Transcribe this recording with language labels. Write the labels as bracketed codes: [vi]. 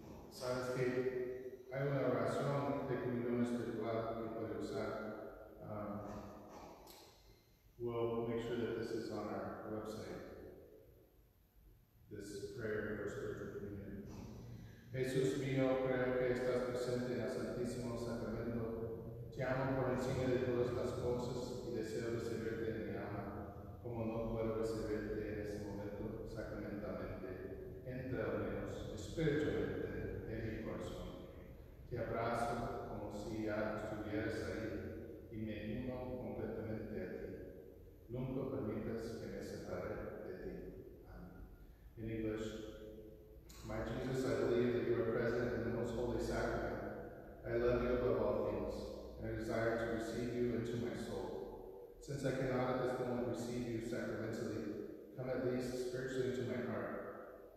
[es] Sabes que hay una oración de comunión espiritual que puede usar. [en] We'll make sure that this is on our website. This prayer for spiritual communion. [es] Jesús mío, creo que estás presente en el Santísimo Sacramento. Te amo por encima de todas las cosas y deseo recibirte en mi alma. Como no puedo recibirte en ese momento sacramentalmente, entra en Dios espiritualmente. En mi corazón. Te abrazo como si ya estuvieras ahí y me uno completamente a ti. Nunca permitas que me separe de ti. Amen. [en] In English, my Jesus, I believe that you are present in the most holy sacrament. I love you above all things, and I desire to receive you into my soul. Since I cannot at this moment receive you sacramentally, come at least spiritually into my heart.